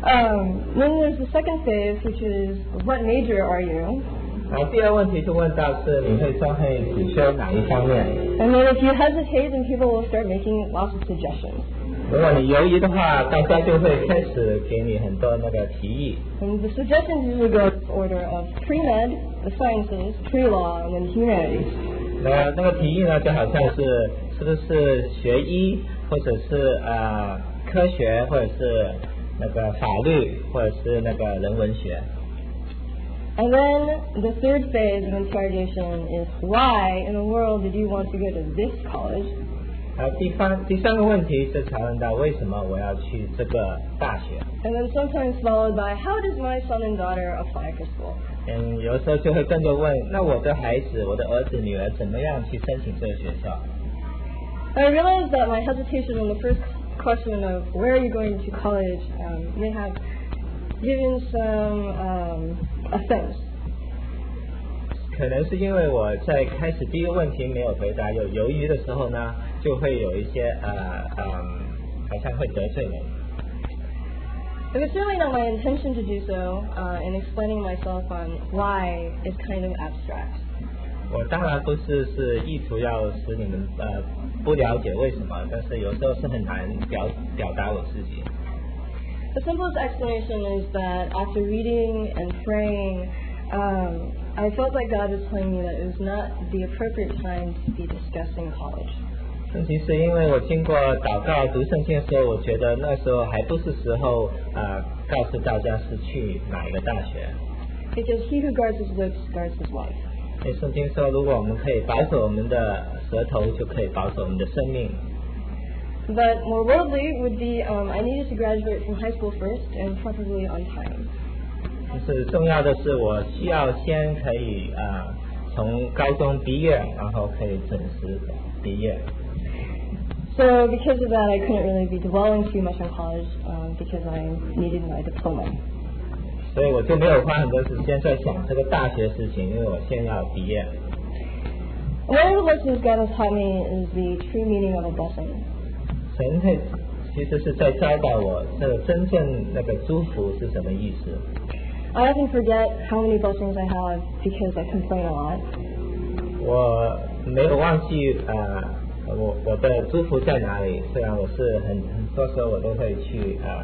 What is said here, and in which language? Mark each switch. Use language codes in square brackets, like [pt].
[en] Then there's the second phase, which is what major are you? [zh] 然后第二问题就问到是你会专业主修哪一方面。 [en] And then if you hesitate, then people will start making lots of suggestions. [zh] 如果你犹豫的话，大家就会开始给你很多那个提议。 [en] And the suggestions usually go in order of pre-med, the sciences, pre-law, and then humanities. [zh] 那个提议呢，就好像是不是学医，或者是科学，或者是那个法律，或者是那个人文学。 [en] And then the third phase of interrogation is why in the world did you want to go to this college? [zh] 第三个问题是查问到为什么我要去这个大学。 [en] And then sometimes followed by how does my son and daughter apply for school? [zh] And 有时候就会跟着问，那我的孩子，我的儿子女儿怎么样去申请这个学校？ [en] I realized that my hesitation on the first question of where are you going to college may have given some offense. [zh] 可能是因为我在开始第一个问题没有回答，有犹豫的时候呢，就会有一些好像会得罪人。 [en] It was certainly not my intention to do so, in explaining myself on why it's kind of abstract. [zh] 我当然不是意图要使你们不了解为什么，但是有时候是很难表达我自己。 [en] The simplest explanation is that after reading and praying, I felt like God was telling me that it was not the appropriate time to be discussing college. [zh] 其实因为我经过祷告读圣经的时候，我觉得那时候还不是时候告诉大家是去哪一个大学。 [en] Because he who guards his lips guards his life. [zh] 因为圣经说，如果我们可以保守我们的舌头，就可以保守我们的生命。 [en] But more worldly would be, I needed to graduate from high school first and preferably on time. [zh] 就是重要的是我需要先可以从高中毕业，然后可以准时毕业。 [en] So because of that, I couldn't really be dwelling too much on college, because I needed my diploma. [zh] 所以我就没有花很多时间在想这个大学事情，因为我先要毕业。 [en] One of the lessons God has taught me is the true meaning of a blessing. [zh] 神他其实是在教导我，这真正那个祝福是什么意思。 [en] I often forget how many blessings I have because I complain a lot. [zh] 我没有忘记我的祝福在哪里，虽然我是很多时候我都会去